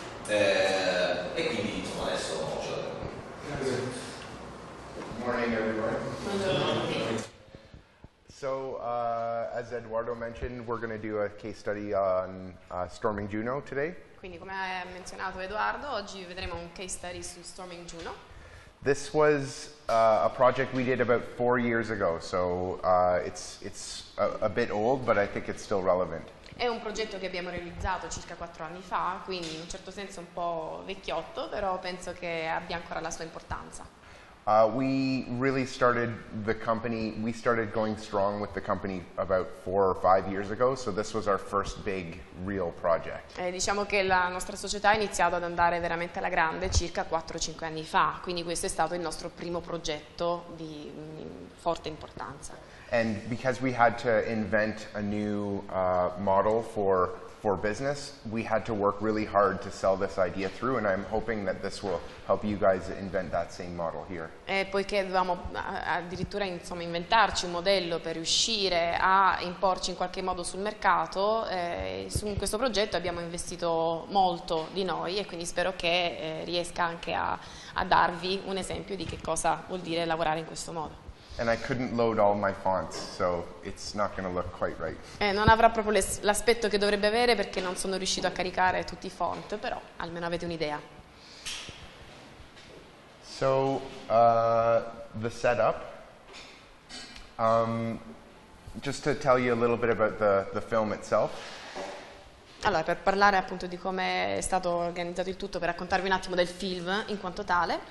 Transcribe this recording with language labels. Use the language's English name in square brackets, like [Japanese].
[Italian] E quindi insomma adesso ce l'abbiamo. [English] Good morning everyone. So, as Eduardo mentioned, we're going to do a case study on Storming Juno today. [Italian] Quindi, come ha menzionato Eduardo, oggi vedremo un case study su Storming Juno. [English] This was a project we did about 4 years ago, so it's a bit old, but I think it's still relevant. [Italian] È un progetto che abbiamo realizzato circa 4 anni fa, quindi in un certo senso un po' vecchiotto, però penso che abbia ancora la sua importanza. [English] We started going strong with the company about 4 or 5 years ago, so this was our first big real project. [Italian] Diciamo che la nostra società ha iniziato ad andare veramente alla grande circa 4-5 anni fa, quindi questo è stato il nostro primo progetto di forte importanza. [English] And because we had to invent a new model for business, we had to work really hard to sell this idea through, and I'm hoping that this will help you guys invent that same model here. [Italian] E poiché dovevamo addirittura insomma inventarci un modello per riuscire a imporci in qualche modo sul mercato, su questo progetto abbiamo investito molto di noi, e quindi spero che riesca anche a darvi un esempio di che cosa vuol dire lavorare in questo modo. [English] And I couldn't load all my fonts, so it's not going to look quite right. [Italian] Non avrà proprio l'aspetto che dovrebbe avere, perché non sono riuscito a caricare tutti i font, però almeno avete un'idea. [English] So, the setup. Just to tell you a little bit about the film itself. [Italian] Allora, per parlare appunto di come è stato organizzato il tutto, per raccontarvi un attimo del film in quanto tale.